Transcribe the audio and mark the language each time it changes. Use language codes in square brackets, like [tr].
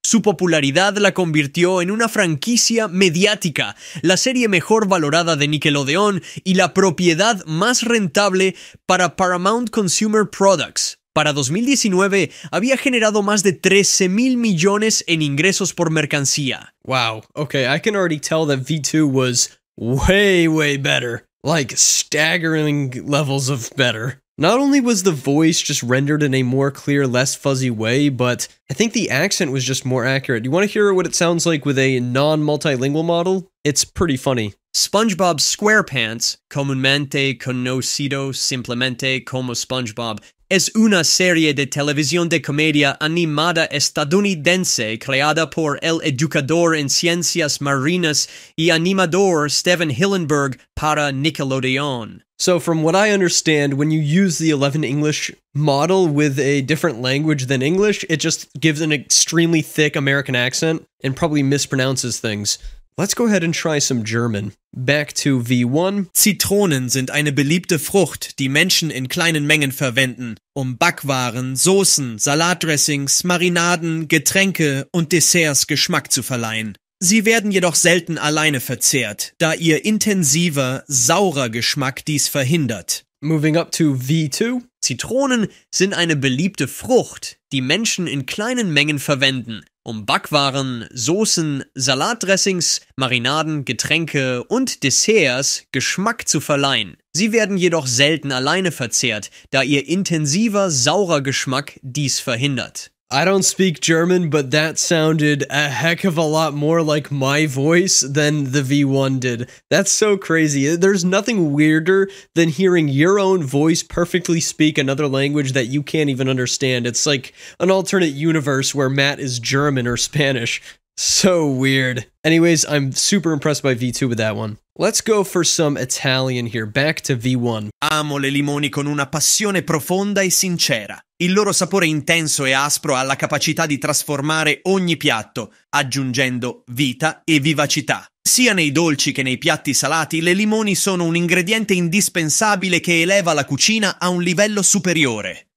[es] Su popularidad la convirtió en una franquicia mediática, la serie mejor valorada de Nickelodeon y la propiedad más rentable para Paramount Consumer Products. Para 2019, había generado más de $13,000 million en ingresos por mercancía. [en] Wow, okay, I can already tell that V2 was way, way better. Like, staggering levels of better. Not only was the voice just rendered in a more clear, less fuzzy way, but I think the accent was just more accurate. You want to hear what it sounds like with a non-multilingual model? It's pretty funny. [es] SpongeBob SquarePants, comúnmente conocido simplemente como SpongeBob, es una serie de televisión de comedia animada estadounidense creada por el educador en ciencias marinas y animador Stephen Hillenburg para Nickelodeon. [en] So from what I understand, when you use the 11 English model with a different language than English, it just gives an extremely thick American accent and probably mispronounces things. Let's go ahead and try some German. Back to V1. [de] Zitronen sind eine beliebte Frucht, die Menschen in kleinen Mengen verwenden, um Backwaren, Soßen, Salatdressings, Marinaden, Getränke und Desserts Geschmack zu verleihen. Sie werden jedoch selten alleine verzehrt, da ihr intensiver, saurer Geschmack dies verhindert. [en] Moving up to V2. [de] Zitronen sind eine beliebte Frucht, die Menschen in kleinen Mengen verwenden, um Backwaren, Soßen, Salatdressings, Marinaden, Getränke und Desserts Geschmack zu verleihen. Sie werden jedoch selten alleine verzehrt, da ihr intensiver, saurer Geschmack dies verhindert. [en] I don't speak German, but that sounded a heck of a lot more like my voice than the V1 did. That's so crazy. There's nothing weirder than hearing your own voice perfectly speak another language that you can't even understand. It's like an alternate universe where Matt is German or Spanish. So weird. Anyways, I'm super impressed by V2 with that one. Let's go for some Italian here. Back to V1. [it] Amo le limoni con una passione profonda e sincera. Il loro sapore intenso e aspro ha la capacità di trasformare ogni piatto, aggiungendo vita e vivacità. Sia nei dolci che nei piatti salati, le limoni sono un ingrediente indispensabile che eleva la cucina a un livello superiore.